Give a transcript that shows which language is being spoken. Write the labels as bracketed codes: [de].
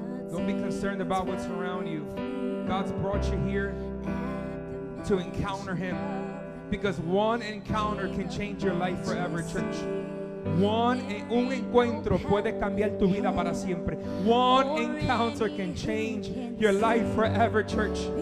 [en] Don't be concerned about what's around you. God's brought you here to encounter Him, because one encounter can change your life forever, church. [es] Un encuentro puede cambiar tu vida para siempre. [en] One encounter can change your life forever, church.